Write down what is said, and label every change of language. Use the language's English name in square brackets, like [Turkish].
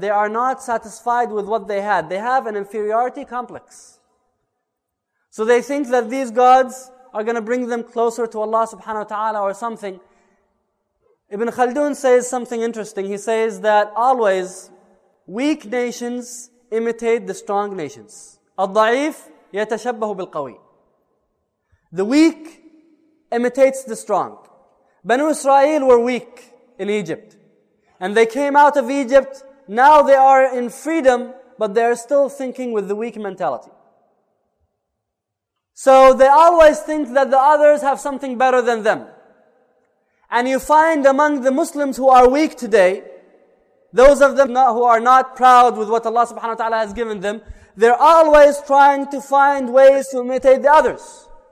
[English] They are not satisfied with what they had. They have an inferiority complex. So they think that these gods are going to bring them closer to Allah subhanahu wa ta'ala or something. Ibn Khaldun says something interesting. He says that always weak nations imitate the strong nations. [Arabic] الضعيف يتشبه بالقوي. [English] The weak imitates the strong. Banu Israel were weak in Egypt. And they came out of Egypt. Now they are in freedom, but they are still thinking with the weak mentality. So they always think that the others have something better than them. And you find among the Muslims who are weak today, those of them who are not proud with what Allah subhanahu wa ta'ala has given them, they're always trying to find ways to imitate the others.